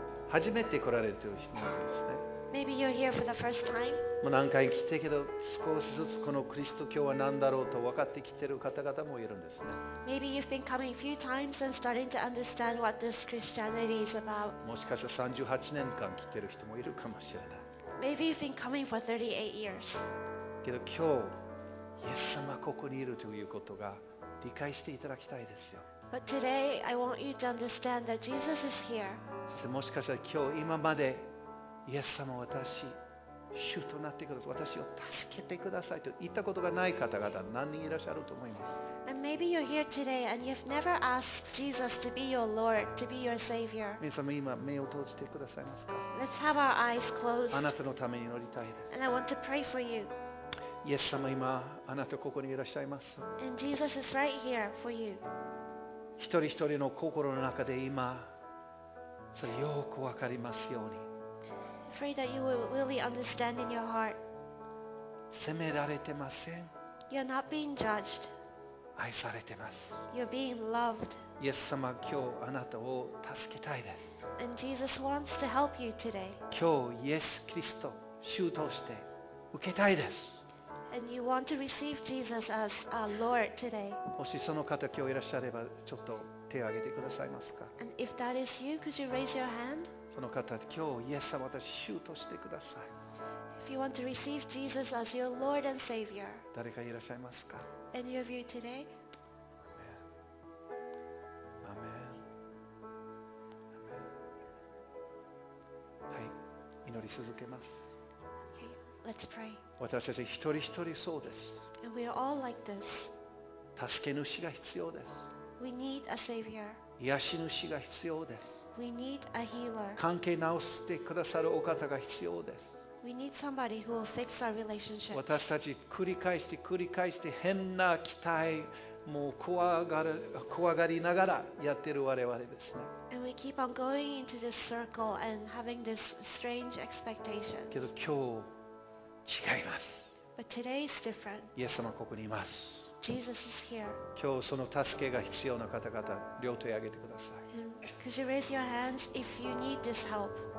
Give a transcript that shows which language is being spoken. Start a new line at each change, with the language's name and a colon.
Japanese: 初めて来られてる人ですね。
English: Maybe you're here for the first time.
Japanese: もう何回来てけど、少しずつこのクリスト教は何だろうと分かってきてる方々もいるんですね。
English: Maybe you've been coming a few times and starting to understand what this Christianity is about.
Japanese: もしかして38年間来てる人もいるかもしれない。
English: Maybe you've been coming for 38 years.
Japanese: けど今日、イエス様ここにいるということが理解していただきたいですよ。
English: But today, I want you to understand that Jesus is here.
Japanese: そもしかしたら今日今までイエス様私主となってください、私を助けてくださいと言ったことがない方々何人いらっしゃると思います。
English: And maybe you're here today and you've never asked Jesus to be your Lord, to be your Savior.
Japanese: 皆様今目を閉じてくださいますか。
English: Let's have our eyes closed.
Japanese: あなたのために祈りたいです。
English: And I want to pray for you.
Japanese: イエス様今あなたここにいらっしゃいます。
English: And Jesus is right here for you.
Japanese: 一人一人の心の中で今それよく分かりますように、
English: I'm afraid that you will really understand in your heart.
Japanese: 責められてません。
English: You're not being judged.
Japanese: 愛されてます。
English: You're being loved.
Japanese: イエス様今日あなたを助けたいです。
English: And Jesus wants to help you today.
Japanese: 今日イエスキリスト主として受けたいです。
English: And you want to receive Jesus as our Lord today.
Japanese: もしその方今日いらっしゃればちょっと手を挙げてくださいますか。
English: And if that is you, could you raise your hand?
Japanese: その方今日イエス様私主としてください。
English: If you want to receive Jesus as your Lord and Savior.
Japanese: 誰かいらっしゃいますか。
English: Any of you today? Amen.
Japanese: はい、祈り続けます。
English: Let's pray.
Japanese: 私たち一人一人そうです。
English: And we are all like this.
Japanese: 助け主が必要です。
English: We need a savior.
Japanese: 癒し主が必要です。
English: We need a healer.
Japanese: 関係直してくださるお方が必要です。
English: We need somebody who will fix our relationship.
Japanese: 私たち繰り返して繰り返して変な期待、もう怖がりながらやってる我々ですね。
English: And we keep on going into this circle and having this strange expectation.
Japanese: けど今日違います。
English: But today is different.
Japanese: イエス様ここにいます。
English: Jesus is here.
Japanese: 今日その助けが必要な方々、両手を挙げてください。
English: Could you raise your hands if you need this help?